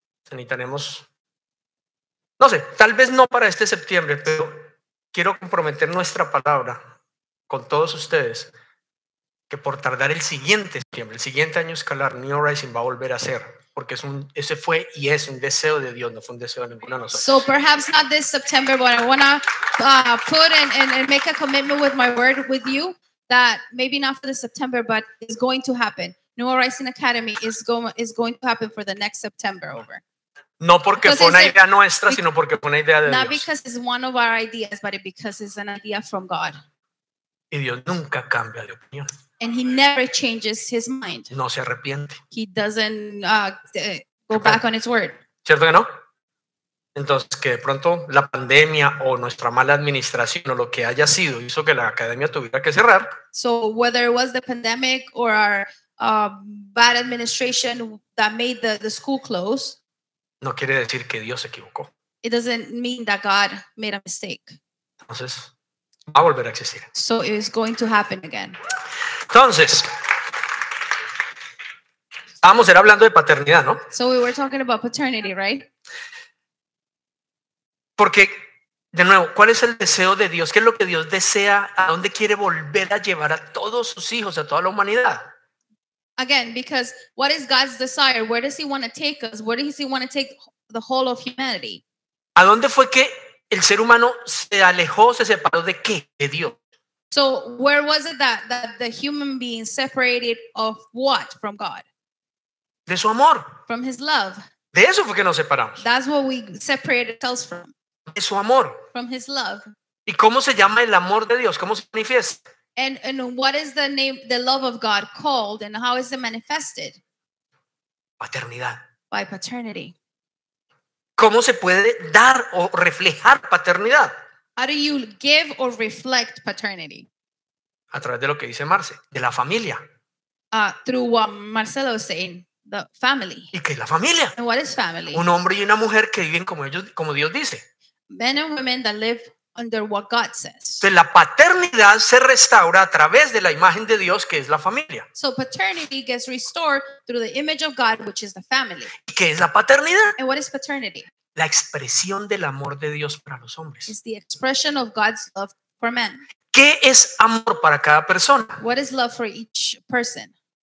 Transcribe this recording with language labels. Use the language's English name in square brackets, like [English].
[Spanish] Necesitaremos, no sé, tal vez no para este septiembre, pero quiero comprometer nuestra palabra con todos ustedes que por tardar el siguiente septiembre, el siguiente año escalar, New Horizon va a volver a ser, porque es un, ese fue y es un deseo de Dios, no fue un deseo de ninguno de nosotros. [English] So perhaps not this September, but I want to put and make a commitment with my word with you that maybe not for the September, but it's going to happen. New Horizon Academy is going to happen for the next September over. [Spanish] No porque fue una idea nuestra, sino porque fue una idea de Dios. [English] Not because it's one of our ideas, but because it's an idea from God. [Spanish] Y Dios nunca cambia de opinión. [English] And he never changes his mind. [Spanish] No se arrepiente. [English] He doesn't go back on his word. [Spanish] ¿Cierto que no? Entonces, que de pronto la pandemia o nuestra mala administración o lo que haya sido hizo que la academia tuviera que cerrar. [English] So whether it was the pandemic or our bad administration that made the school close. [Spanish] No quiere decir que Dios se equivocó. [English] It doesn't mean that God made a mistake. [Spanish] Entonces, va a volver a existir. [English] So it is going to happen again. [Spanish] Entonces, estábamos hablando de paternidad, ¿no? [English] So we were talking about paternity, right? [Spanish] Porque, de nuevo, ¿cuál es el deseo de Dios? ¿Qué es lo que Dios desea? ¿A dónde quiere volver a llevar a todos sus hijos, a toda la humanidad? [English] Again, because what is God's desire? Where does he want to take us? Where does he want to take the whole of humanity? [Spanish] ¿A dónde fue que el ser humano se alejó, se separó de qué? De Dios. [English] So where was it that the human being separated of what? From God. [Spanish] De su amor. [English] From his love. [Spanish] De eso fue que nos separamos. [English] That's what we separated ourselves from. [Spanish] De su amor. [English] From his love. [Spanish] ¿Y cómo se llama el amor de Dios? ¿Cómo se manifiesta? [English] And what is the name, the love of God called, and how is it manifested? [Spanish] Paternidad. [English] By paternity. [Spanish] ¿Cómo se puede dar o reflejar paternidad? [English] How do you give or reflect paternity? [Spanish] A través de lo que dice Marce, de la familia. [English] Through what Marcelo is saying, the family. [Spanish] ¿Y qué es la familia? [English] And what is family? [Spanish] Un hombre y una mujer que viven como ellos, como Dios dice. [English] Men and women that live under what God says. [Spanish] Entonces, la paternidad se restaura a través de la imagen de Dios, que es la familia. [English] So paternity gets restored through the image of God, which is the family. [Spanish] ¿Qué es la paternidad? [English] And what is paternity? [Spanish] La expresión del amor de Dios para los hombres. [English] It's the expression of God's love for men. [Spanish] ¿Qué es amor para cada persona? [English] What is love for each person?